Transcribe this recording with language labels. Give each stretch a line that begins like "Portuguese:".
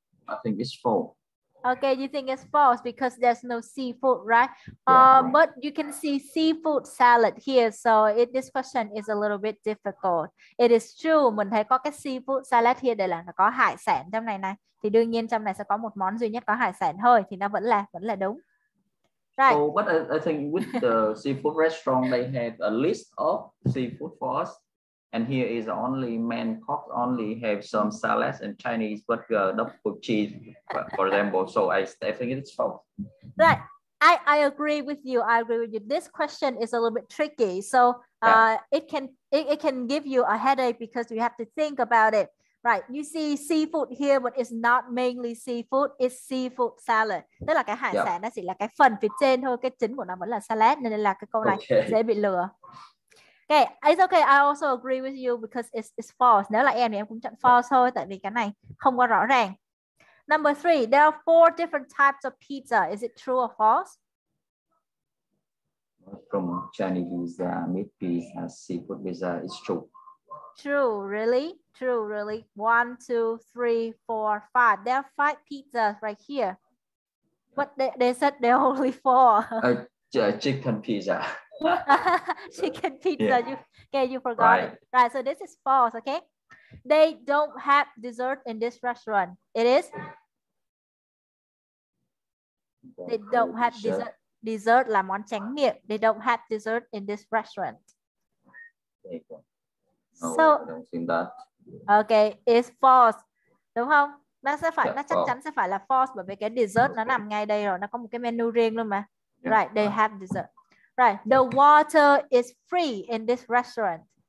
English: I think it's false. Okay, you think it's false because there's no seafood, right? Yeah, right? But you can see seafood salad here. So it, this question is a little bit difficult. It is true.
Vietnamese: Mình thấy có cái
English: seafood salad here.
Vietnamese: Đây là nó có hải sản trong này này. Thì đương nhiên trong này sẽ có một món duy nhất có hải sản thôi. Thì nó vẫn là đúng. Right.
English: Oh, but I think with the seafood restaurant, they have a list of seafood for us. And here is only main course, only have some salads and Chinese burger, double cheese, for example. So I think it's false. Right. I agree with you. I agree with you. This question is a little bit tricky. So it can give you a headache because you have to think about it. Right. You see seafood here, but it's not mainly seafood. It's seafood salad.
Vietnamese: Tức là cái hải
English: yeah.
Vietnamese: sản nó chỉ là cái phần phía trên thôi. Cái chính của nó vẫn là salad. Nên là cái câu này
English: okay.
Vietnamese: dễ bị lừa.
English: Okay, it's okay. I also agree with you because it's false.
Vietnamese: Nếu là em thì em cũng chọn false thôi, tại vì cái này không có rõ ràng.
English: Number three, there are four different types of pizza. Is it true or false? From Chinese pizza, meat pizza, seafood pizza, it's true. True, really? True, really? One, two, three, four, five. There are five pizzas right here. But they said there are only four. Chicken pizza. Chicken pizza, yeah. you forgot right. it. Right, so this is false, okay? They don't have dessert in this restaurant. It is? They don't have dessert
Vietnamese: là món tráng miệng.
English: They don't have dessert in this restaurant. No, so, I don't think that. Okay, it's false,
Vietnamese: đúng không? Nó sẽ phải, nó chắc chắn sẽ phải là false bởi vì cái dessert
English: okay.
Vietnamese: nó nằm ngay đây rồi. Nó có một cái menu riêng luôn mà.
English: Yeah. Right, they have dessert. Right, the water is free in this restaurant.